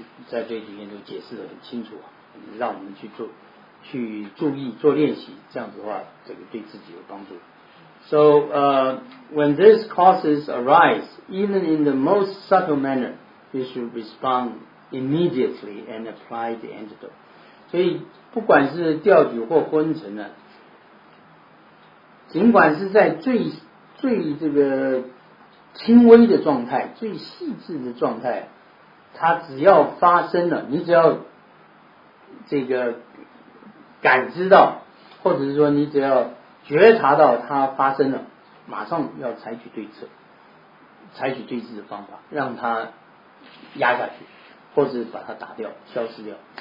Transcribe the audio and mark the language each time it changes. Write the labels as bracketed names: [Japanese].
[Chinese] 在这里面都解释得很清楚，让我们去做去注意做练习，这样子的话这个对自己有帮助。 [English] So when these causes arise even in the most subtle manner you should respond immediately and apply the antidote。 [Chinese] 所以不管是调举或昏沉呢，尽管是在最这个轻微的状态，最细致的状态，它只要发生了，你只要这个感知到，或者是说你只要觉察到它发生了，马上要采取对策，采取对治的方法，让它压下去，或者把它打掉、消失掉。